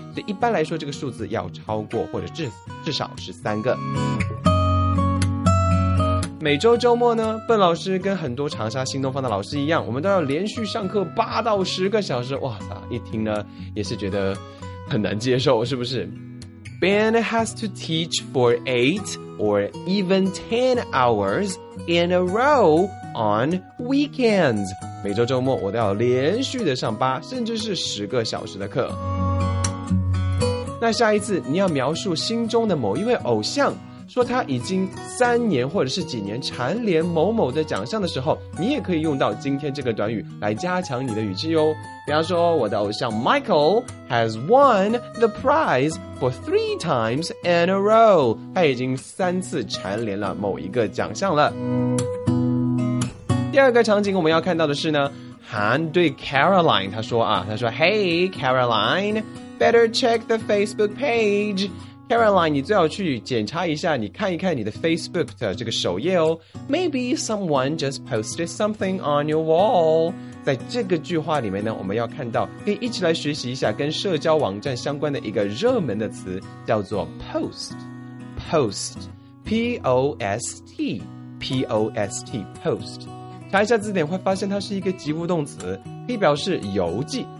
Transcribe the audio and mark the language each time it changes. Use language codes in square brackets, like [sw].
[zh] 所以一般来说这个数字要超过或者至少是三个。每周周末呢，笨老师跟很多长沙新东方的老师一样，我们都要连续上课8到10个小时。哇塞，一听呢也是觉得很难接受，是不是？ [en] Ben has to teach for 8 or even 10 hours in a row on weekends. [zh] 每周周末我都要连续的上8甚至是10个小时的课。那下一次你要描述心中的某一位偶像，说他已经3年或者是几年蝉联某某的奖项的时候，你也可以用到今天这个短语来加强你的语气哦。比方说，我的偶像 [en] Michael has won the prize for 3 times in a row， [zh] 他已经3次蝉联了某一个奖项了。第二个场景我们要看到的是呢，韩对 Caroline 他说啊，他说 [en] Hey Caroline， better check the Facebook page。 [zh] Caroline， 你最好去检查一下，你看一看你的 Facebook 的这个首页哦。 [en] Maybe someone just posted something on your wall。 [zh] 在这个句话里面呢，我们要看到，可以一起来学习一下跟社交网站相关的一个热门的词，叫做 post。 [en] post， P O S T， P O S T， post。 [zh] 查一下字典会发现它是一个及物动词，可以表示邮寄。